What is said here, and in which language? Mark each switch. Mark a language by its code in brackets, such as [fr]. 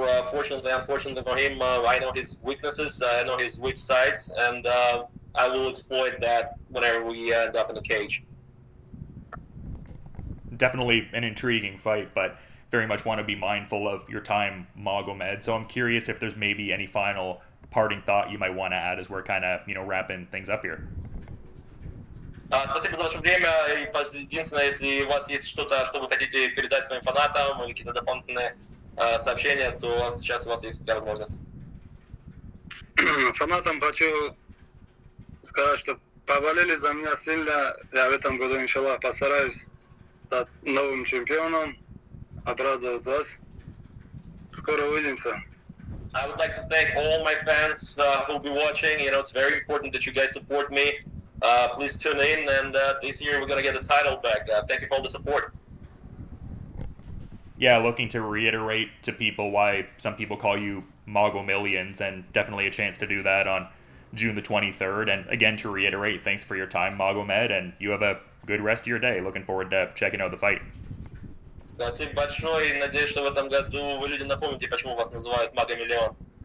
[en] Fortunately, unfortunately for him, I know his weaknesses, I know his weak sides, and I will exploit that whenever we end up in the cage. Definitely an intriguing fight, but very much want to be mindful of your time, Magomed. So I'm curious if there's maybe any final parting thought you might want to add as we're kind of, you know, wrapping things up here. [ru] Спасибо за ваше время. И единственное, если у вас есть что-то, что вы хотите передать своим фанатам или какие-то дополнительные сообщения, то у вас сейчас у вас есть такая возможность. Фанатам хочу сказать, что поболели за меня сильно. Я в этом году, иншаллах, постараюсь стать новым чемпионом. Обрадовать вас. Скоро увидимся. [en] I would like to thank all my fans who will be watching. You know, it's very important that you guys support me. Please tune in, and this year we're going to get the title back. Thank you for all the support. Yeah, looking to reiterate to people why some people call you Mogomillions, and definitely a chance to do that on June the 23rd. And again, to reiterate, thanks for your time, Magomed, and you have a good rest of your day. Looking forward to checking out the fight. [ru] Спасибо большое, и надеюсь, что в этом году вы люди напомните, почему вас называют Магомиллион.